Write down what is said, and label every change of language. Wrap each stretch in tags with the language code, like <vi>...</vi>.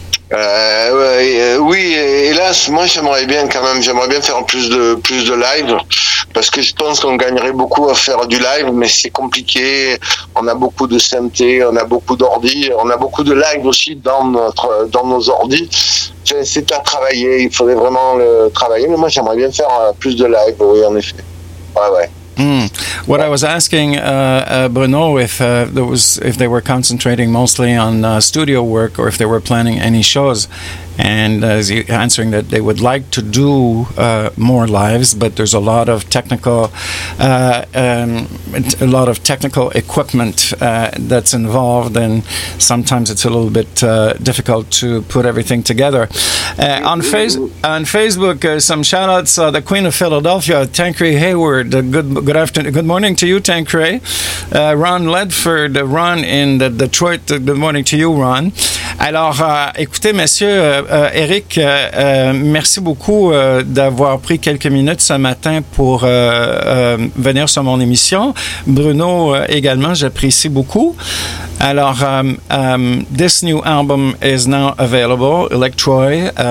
<fr>Oui, hélas, moi j'aimerais bien quand même, j'aimerais bien faire plus de live, parce que je pense qu'on gagnerait beaucoup à faire du live, mais c'est compliqué, on a beaucoup de synthé, on a beaucoup d'ordi, on a beaucoup de live aussi dans nos ordi, c'est à travailler, il faudrait vraiment le travailler, mais moi j'aimerais bien faire plus de live, oui en effet, ouais.</fr> <en>What I was asking Bruno, if they were concentrating mostly on studio work or if they were planning any shows, and as you answering that they would like to do more lives, but there's a lot of technical equipment that's involved, and sometimes it's a little bit difficult to put everything together. On Facebook, some shout outs, the Queen of Philadelphia, Tanqueray Hayward, good afternoon, good morning to you, Tanqueray. Ron Ledford, Ron in the Detroit, good morning to you, Ron.</en> <fr>Alors, écoutez, monsieur Eric, merci beaucoup d'avoir pris quelques minutes ce matin pour venir sur mon émission. Bruno également, j'apprécie beaucoup. Alors,</fr> <en>this new album is now available, Electroy.</en>